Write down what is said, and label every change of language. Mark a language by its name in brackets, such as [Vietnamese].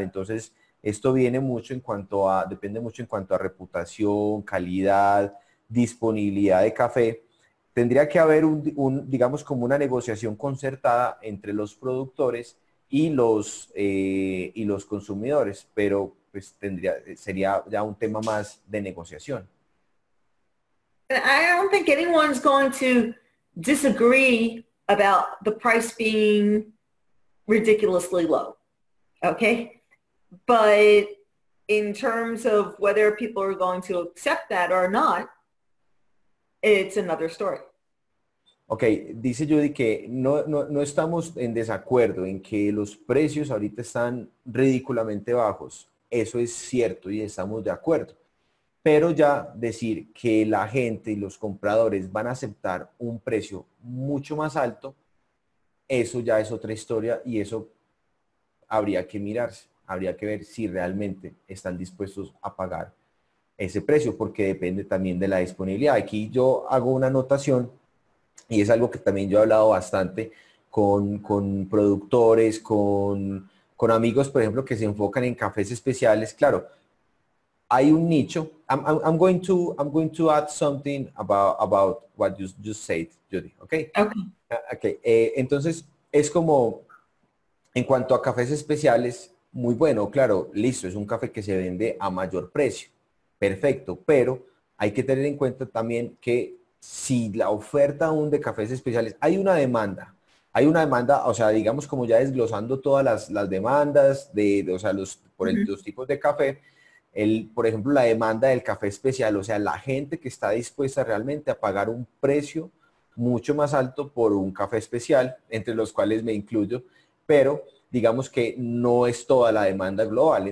[Spanish] Entonces, esto viene mucho en cuanto a, depende mucho en cuanto a reputación, calidad, disponibilidad de café. Tendría que haber digamos, como una negociación concertada entre los productores y los consumidores, pero pues sería ya un tema más de negociación. [English] I don't think anyone's going to disagree about the price being ridiculously low. Okay? But in terms of whether people are going to accept that or not, it's another story. [Spanish] Ok, dice Judy que no estamos en desacuerdo en que los precios ahorita están ridículamente bajos. Eso es cierto y estamos de acuerdo. Pero ya decir que la gente y los compradores van a aceptar un precio mucho más alto, eso ya es otra historia y eso habría que mirarse. Habría que ver si realmente están dispuestos a pagar ese precio, porque depende también de la disponibilidad. Aquí yo hago una anotación. Y es algo que también yo he hablado bastante con productores, con amigos, por ejemplo, que se enfocan en cafés especiales. Claro, hay un nicho. [English] I'm going to add something about what you just said, Judy. Okay. Okay. Okay. [Spanish] Entonces, es como en cuanto a cafés especiales, muy bueno, claro, listo, es un café que se vende a mayor precio. Perfecto, pero hay que tener en cuenta también que si la oferta aún de cafés especiales, hay una demanda, o sea, digamos como ya desglosando todas las demandas o sea, los tipos de café, por ejemplo, la demanda del café especial, o sea, la gente que está dispuesta realmente a pagar un precio mucho más alto por un café especial, entre los cuales me incluyo, pero digamos que no es toda la demanda global.